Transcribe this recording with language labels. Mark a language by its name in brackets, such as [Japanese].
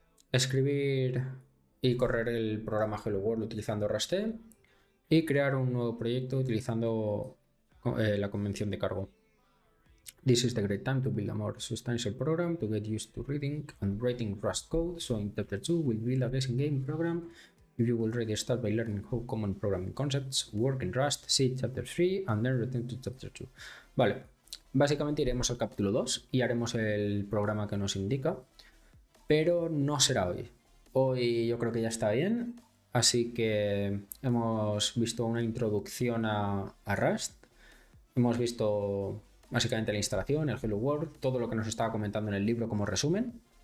[Spanish] Escribir y correr el programa Hello World utilizando RustC. Y crear un nuevo proyecto utilizando la convención de cargo. [English] This is the great time to build a more substantial program to get used to reading and writing Rust code. So in chapter 2, we'll build a guessing game program. If you already start by learning how common programming concepts work in Rust, see chapter 3 and then return to chapter 2. [Spanish] Vale, básicamente iremos al capítulo 2 y haremos el programa que nos indica, pero no será hoy. Hoy yo creo que ya está bien, así que hemos visto una introducción a Rust. Hemos visto. Básicamente la instalación, el Hello World, todo lo que nos estaba comentando en el libro como resumen.